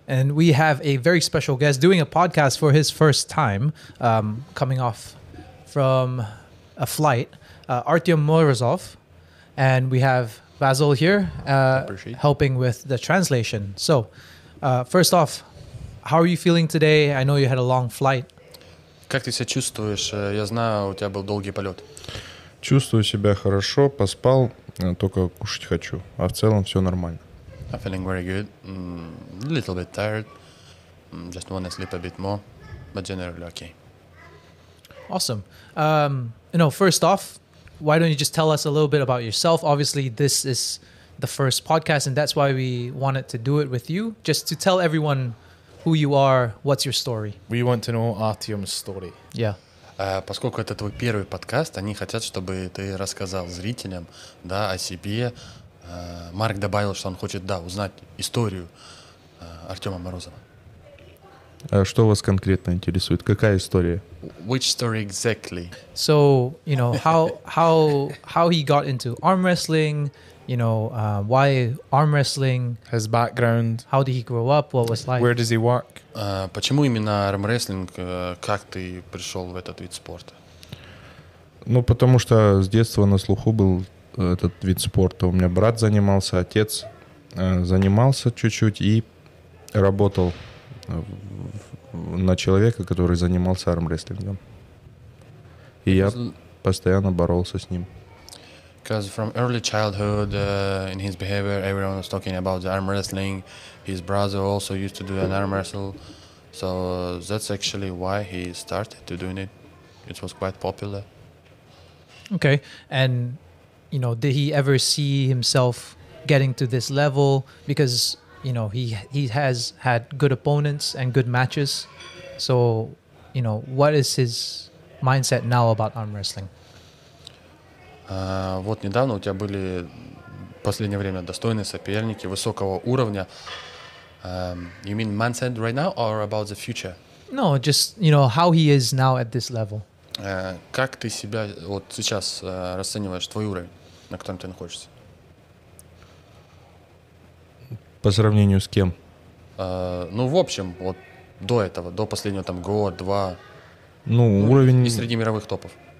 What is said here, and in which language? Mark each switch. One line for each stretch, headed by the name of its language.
English: And we have a very special guest doing a podcast for his first time, coming off from a flight, Artyom Morozov. And we have Basil here helping with the translation. So first off, how are you feeling today? I know you had a long flight.
Russian: Как ты себя чувствуешь? Я знаю, у тебя был долгий полет. Чувствую себя хорошо, поспал, только кушать хочу. А в целом все нормально.
English: I'm feeling very good. A little bit tired. Just want to sleep a bit more. But generally okay. Awesome. You know, first off, why don't you just tell us a little bit about yourself? Obviously, this is the first podcast, and that's why we wanted to do it with you. Just to tell everyone who you are, what's your story? We want to know Artyom's story. Yeah.
Russian: Поскольку это твой первый подкаст, они хотят, чтобы ты рассказал зрителям, да, о себе. Марк добавил, что он хочет, да, узнать историю Артёма Морозова. Что вас конкретно интересует? Какая история?
English: Which story exactly? So, you know, how he got into arm wrestling, you know, why arm wrestling? His background. How did he grow up? What was life? Where does he work?
Russian: Почему именно армрестлинг? Как ты пришел в этот вид спорта? Ну, потому что с детства на слуху был этот вид спорта. У меня брат занимался, отец занимался чуть-чуть и работал на человека, который занимался армрестлингом. И я постоянно боролся с ним.
English: Because from early childhood, in his behavior, everyone was talking about the arm wrestling. His brother also used to do an arm wrestle. So that's actually why he started to doing it. It was quite popular. Okay. And, you know, did he ever see himself getting to this level? Because, you know, he has had good opponents and good matches. So, you know, what is his mindset now about arm wrestling?
Russian: Вот недавно у тебя были в последнее время достойные соперники высокого уровня.
English: You mean mindset right now or about the future? No, just, you know, how he is now at this level.
Russian: Как ты себя вот сейчас расцениваешь, твой уровень, на котором ты находишься? По сравнению с кем? Ну, в общем, вот до этого, до последнего там год-два. Ну, уровень... И среди мировых топов.